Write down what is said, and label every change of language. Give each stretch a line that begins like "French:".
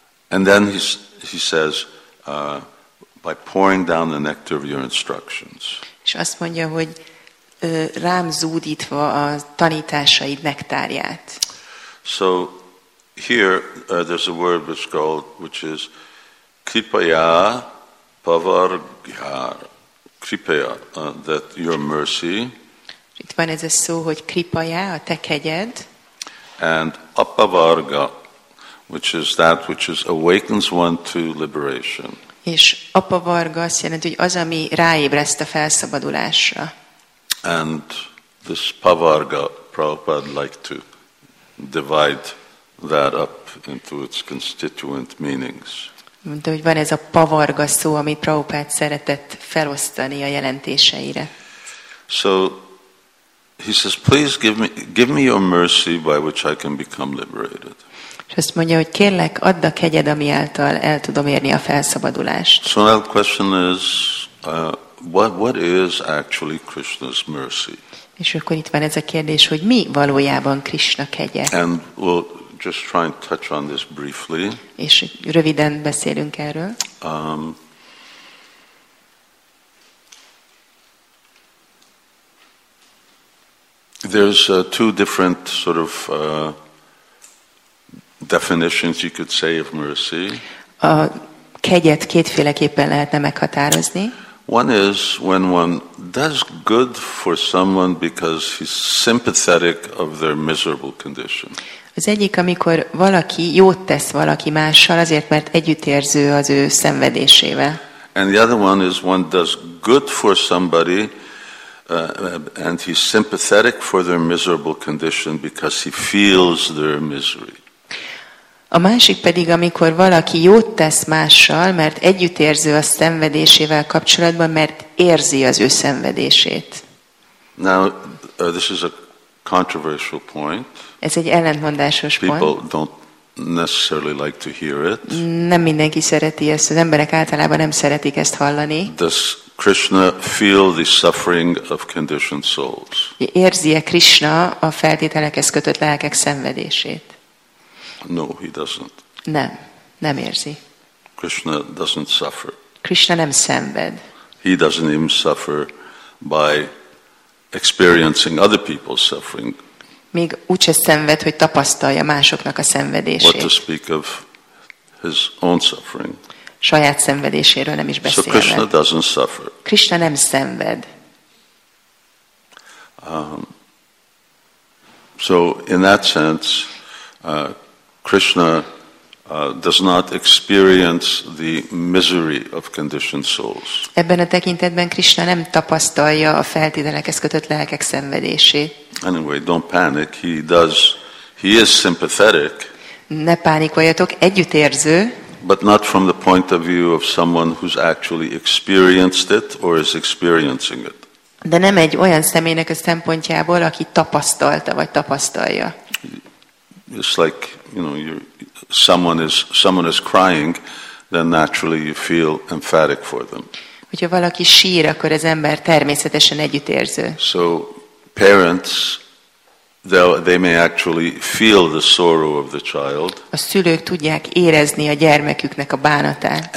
English: And then he says by pouring down the nectar of your instructions.
Hungarian: És azt mondja, hogy rám zúdítva a tanításaid nektárját.
English: So here there's a word which is kripaya pavargyar. Kripaya, that your mercy.
Hungarian: Itt van ez a szó, hogy kripaya, a te kegyed.
English: And apavarga, which is that which is awakens one to liberation.
Hungarian: És apavarga azt jelenti, hogy az, ami ráébreszt a felszabadulásra.
English: And this pavarga, Prabhupada liked to divide that up into its constituent meanings.
Hungarian: De hogy van ez a pavarga szó, amit Prabhupada szeretett felosztani a jelentéseire.
English: So he says, please give me your mercy by which I can become liberated.
Hungarian: És azt mondja, hogy kérlek, add a kegyed, ami által el tudom érni a felszabadulást.
English: So now the question is, what is actually Krishna's mercy?
Hungarian: És akkor itt van ez a kérdés, hogy mi valójában Krishna kegye?
English: And we'll just try and touch on this briefly.
Hungarian: És röviden beszélünk erről.
English: There's two different sort of definitions you could say of mercy.
Hungarian: A kegyet kétféleképpen lehetne meghatározni.
English: One is when one does good for someone because he's sympathetic of their miserable condition.
Hungarian: Az egyik, amikor valaki jót tesz valaki mással, azért mert együttérző az ő szenvedésével.
English: And the other one is one does good for somebody and he's sympathetic for their miserable condition because he feels their misery.
Hungarian: A másik pedig, amikor valaki jót tesz mással, mert együttérző a szenvedésével kapcsolatban, mert érzi az ő szenvedését.
English: Now, this is a controversial point.
Hungarian: Ez egy ellentmondásos
English: People
Hungarian: pont.
English: Don't necessarily like to hear it.
Hungarian: Nem mindenki szereti ezt, az emberek általában nem szeretik ezt hallani.
English: Does Krishna feel the suffering of conditioned souls?
Hungarian: Érzi-e Krishna a feltételekhez kötött lelkek szenvedését?
English: No, he doesn't.
Hungarian: Nem, nem érzi.
English: Krishna doesn't suffer.
Hungarian: Krishna nem szenved.
English: He doesn't even suffer by experiencing other people's suffering.
Hungarian: Még úgy sem szenved, hogy tapasztalja másoknak a szenvedését.
English: What to speak of his own suffering.
Hungarian: Saját szenvedéséről nem is beszélve.
English: So Krishna doesn't suffer.
Hungarian: Krishna nem szenved.
English: So in that sense, Krishna does not experience the misery of conditioned souls.
Hungarian: Ebben a tekintetben Krishna nem tapasztalja a feltételekhez kötött lelkek szenvedését.
English: Anyway, don't panic. He is sympathetic.
Hungarian: Ne pánikoljatok, együttérző.
English: But not from the point of view of someone who's actually experienced it or is experiencing it.
Hungarian: De nem egy olyan személynek a szempontjából, aki tapasztalta vagy tapasztalja.
English: It's like, you know, someone is crying, then naturally you feel empathetic for them.
Hungarian: Hogyha valaki sír, akkor az ember természetesen együttérző.
English: So parents, they may actually feel the sorrow of the child.
Hungarian: A szülők tudják érezni a gyermeküknek a bánatát.